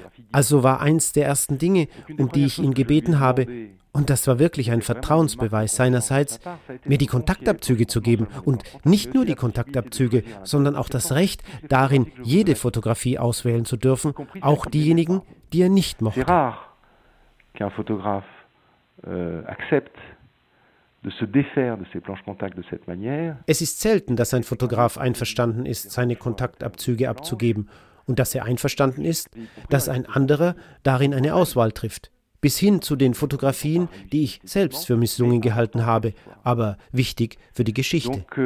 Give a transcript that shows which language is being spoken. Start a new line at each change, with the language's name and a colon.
German: Also war eins der ersten Dinge, um die ich ihn gebeten habe, und das war wirklich ein Vertrauensbeweis seinerseits, mir die Kontaktabzüge zu geben und nicht nur die Kontaktabzüge, sondern auch das Recht, darin jede Fotografie auswählen zu dürfen, auch diejenigen, die er nicht mochte.
French: C'est rare qu'un photographe accepte de se défaire de ses planches contact de cette manière.
German: Es ist selten, dass ein Fotograf einverstanden ist, seine Kontaktabzüge abzugeben. Und dass er einverstanden ist, dass ein anderer darin eine Auswahl trifft. Bis hin zu den Fotografien, die ich selbst für misslungen gehalten habe, aber wichtig für die Geschichte.